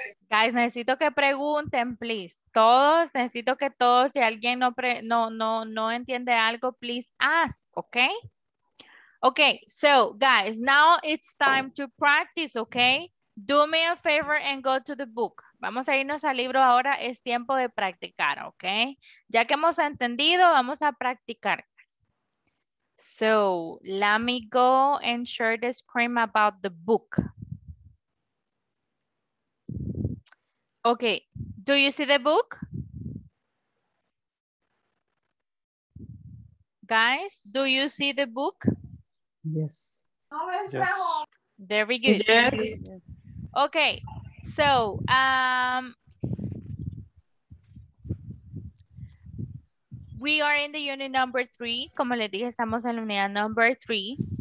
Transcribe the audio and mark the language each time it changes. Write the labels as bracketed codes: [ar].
[es] Guys, necesito que pregunten, please. Todos, necesito que todos, si alguien no entiende algo, [en] please ask, [es] okay? [en] Okay, so guys, now it's time to practice, okay? Do me a favor and go to the book. [es] Vamos a irnos al libro ahora, es tiempo de practicar, okay? Ya que hemos entendido, vamos a practicar. [en] So, let me go and share the screen about the book. Okay, do you see the book? Guys, do you see the book? Yes. Yes. Very good. Yes. Okay, so we are in the unit number 3. [es] Como les dije, estamos en la unidad number 3.